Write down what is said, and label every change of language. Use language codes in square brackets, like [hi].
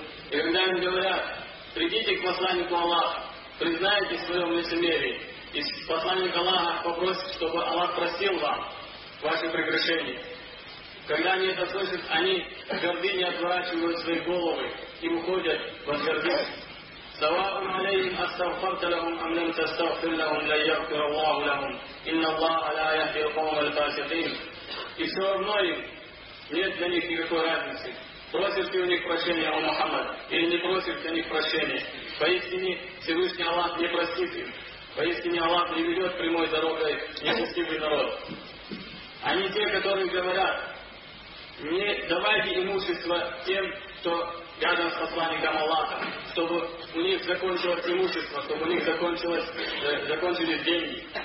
[ru] И когда им говорят: придите к посланнику Аллаха, признайте свое лицемерие, и посланник Аллаха попросит, чтобы Аллах простил вам ваши прегрешения. Когда они это слышат, они в гордыне отворачивают свои головы и уходят в гордыню. [ar] سواء عليهم أستغفرت لهم أم لم تستغفر لهم لن يغفر الله لهم إن الله لا يهدي القوم الفاسقين. [ru] И все равно им нет для них никакой разницы, просишь ты у них прощения, о Мухаммад, или не просишь для них прощения. Поистине Всевышний Аллах не простит им, поистине Аллах не ведет прямой дорогой несчастливый народ. Они те, которые говорят: не давайте имущество тем, кто рядом с посланником Аллаха, чтобы у них закончилось имущество, чтобы у них закончились деньги.